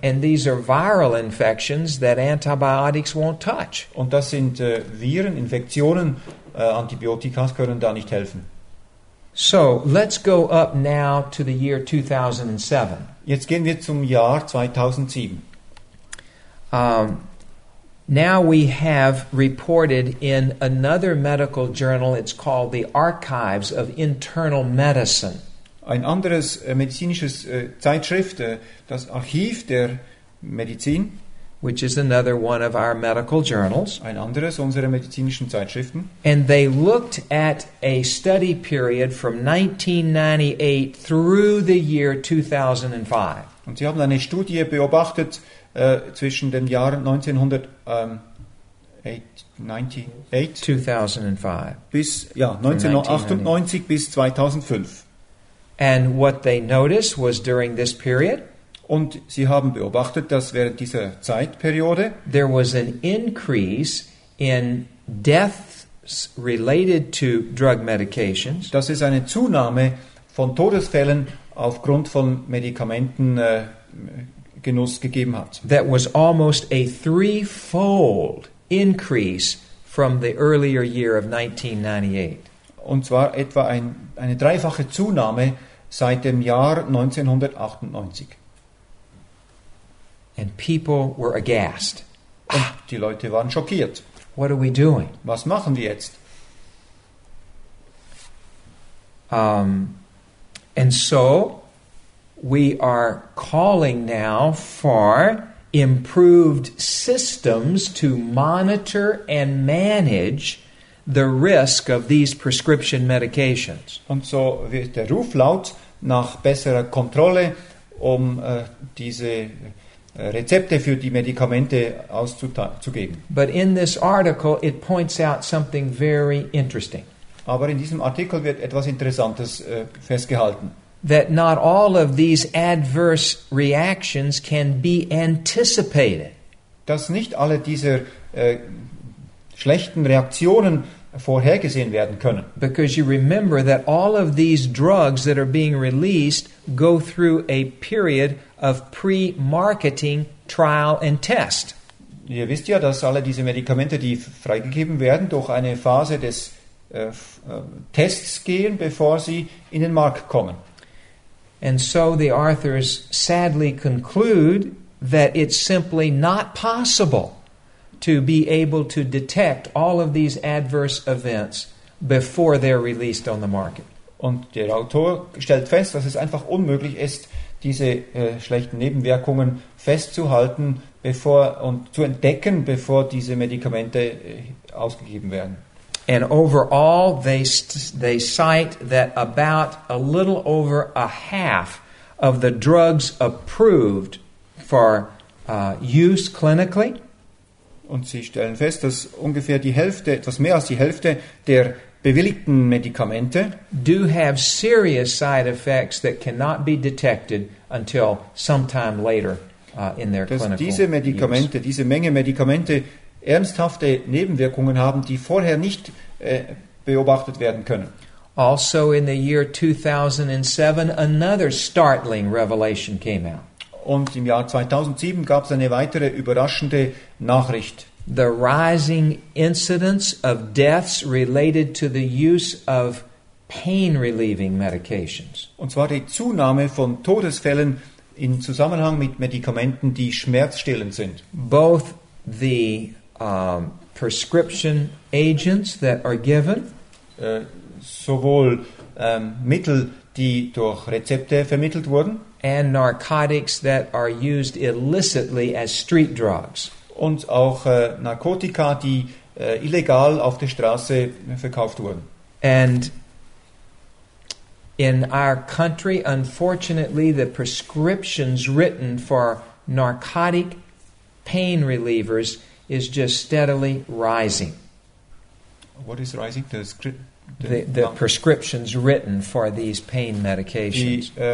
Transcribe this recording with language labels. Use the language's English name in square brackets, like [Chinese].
[English] And these are viral infections that antibiotics won't touch. [German] Und das sind Viren, Infektionen, Antibiotika können da nicht helfen. [English] So, let's go up now to the year 2007. [German] Jetzt gehen wir zum Jahr 2007. [English] Now we have reported in another medical journal, it's called the Archives of Internal Medicine. [German] Ein anderes medizinisches Zeitschrift, das Archiv der Medizin, [English] which is another one of our medical journals. [German] Ein anderes unserer medizinischen Zeitschriften. [English] And they looked at a study period from 1998 through the year 2005. [German] Und sie haben eine Studie beobachtet zwischen dem Jahr 1998 bis 2005. [English] And what they noticed was during this period, [German] und sie haben beobachtet, dass während dieser Zeitperiode [English] there was an increase in deaths related to drug medications. [German] Das ist eine Zunahme von Todesfällen aufgrund von Medikamenten Genuss gegeben hat. [English] That was almost a threefold increase from the earlier year of 1998. [German] Und zwar etwa eine dreifache Zunahme seit dem Jahr 1998. [English] And people were aghast. [German] Und die Leute waren schockiert. [English] What are we doing? [German] Was machen wir jetzt? [English] And so we are calling now for improved systems to monitor and manage the risk of these prescription medications. [German] Und so wird der Ruf laut nach besserer Kontrolle, um diese Rezepte für die Medikamente auszugeben. [English] But in this article it points out something very interesting. [German] Aber in diesem Artikel wird etwas Interessantes festgehalten. [English] That not all of these adverse reactions can be anticipated. [German] Dass nicht alle dieser schlechten Reaktionen vorhergesehen werden können. [English] Because you remember that all of these drugs that are being released go through a period of pre-marketing trial and test. [German] Ihr wisst ja, dass alle diese Medikamente, die freigegeben werden, durch eine Phase des Tests gehen, bevor sie in den Markt kommen. [English] And so the authors sadly conclude that it's simply not possible to be able to detect all of these adverse events before they're released on the market. [German] Und der Autor stellt fest, dass es einfach unmöglich ist, diese schlechten Nebenwirkungen festzuhalten bevor diese Medikamente ausgegeben werden. [English] And overall, they cite that about a little over a half of the drugs approved for use clinically. [German] Und sie stellen fest, dass ungefähr die Hälfte, etwas mehr als die Hälfte der bewilligten Medikamente [English] do have serious side effects that cannot be detected until sometime later in their clinical use. [German] Dass diese Medikamente, diese Menge Medikamente ernsthafte Nebenwirkungen haben, die vorher nicht beobachtet werden können. [English] Also in the year 2007 another startling revelation came out. [German] Und im Jahr 2007 gab es eine weitere überraschende Nachricht. [English] The rising incidence of deaths related to the use of pain relieving medications. [German] Und zwar die Zunahme von Todesfällen in Zusammenhang mit Medikamenten, die schmerzstillend sind. [English] Both the prescription agents that are given, [German] sowohl Mittel, die durch Rezepte vermittelt wurden, [English] and narcotics that are used illicitly as street drugs. [German] Und auch Narkotika, die illegal auf der Straße verkauft wurden. [English] And in our country, unfortunately, the prescriptions written for narcotic pain relievers is just steadily rising. What is rising? The prescriptions written for these pain medications.